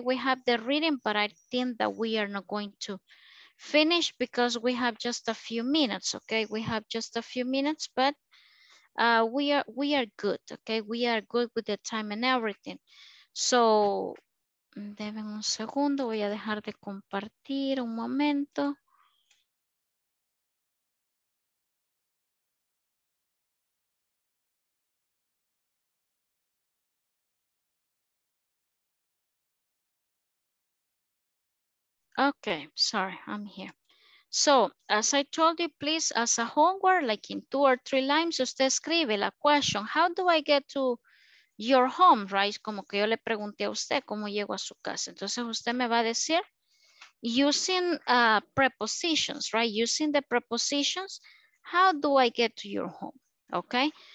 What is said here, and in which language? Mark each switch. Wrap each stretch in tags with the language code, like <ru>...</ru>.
<en>We have the reading, but I think that we are not going to finish because we have just a few minutes, okay? We have just a few minutes, but we are good, okay? We are good with the time and everything.</en> <es>So, deben un segundo, voy a dejar de compartir un momento.</es> <en>Okay, sorry, I'm here. So, as I told you, please, as a homework, like in two or three lines,</en> <es>usted escribe la</es> <en>question, how do I get to your home, right?</en> <es>Como que yo le pregunté a usted, ¿cómo llego a su casa? Entonces, usted me va a decir,</es> <en>using prepositions,</en> <es>right?</es> <en>Using the prepositions, how do I get to your home, okay?</en>